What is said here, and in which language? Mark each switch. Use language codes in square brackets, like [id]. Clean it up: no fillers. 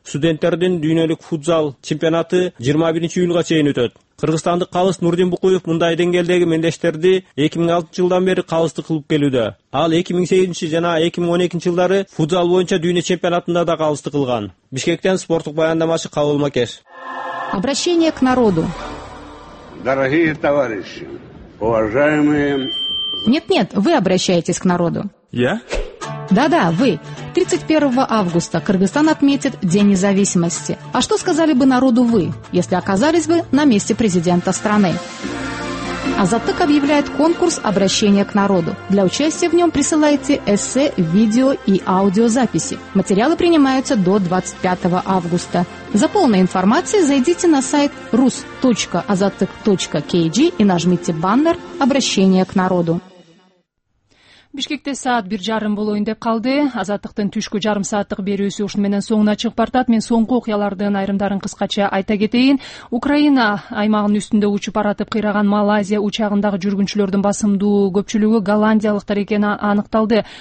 [ky] Студенттердин дүйнөлүк футзал чемпионаты 21 июлга чейин өтөт. Кыргызстандык калыс Нурдин Букуев мындай деңгээлдеги мелдештерди 2006 жылдан бери калыстык кылып келүүдө. Ал 2008 жана 2012 жылдары футзал боюнча дүйнө чемпионатында да калыстык кылган. Бишкектен спорттук баяндамачы Кабыл Макеш. [ru] Обращение к народу. Дорогие товарищи, уважаемые. Нет, вы обращаетесь к народу. Я? Да, вы. 31 августа Кыргызстан отметит День независимости. А что сказали бы народу вы, если оказались бы на месте президента страны? Азаттык объявляет конкурс «Обращение к народу». Для участия в нем присылайте эссе, видео и аудиозаписи. Материалы принимаются до 25 августа. За полной информацией зайдите на сайт rus.azattyk.kg и нажмите баннер «Обращение к народу». [ky] Бишкекте саат 1:30 болоюн деп калды. Азаттыктын түшкү жарым сааттык берүүсү ушуну менен соңуна чыгып баратат. Мен соңку окуялардын айрымдарын кыскача айта кетейин. Украина аймагынын үстүндө учуп баратып кыйраган Малайзия учагындагы жүргүнчүлөрдүн басымдуу көпчүлүгү голландиялыктар экени аныкталды.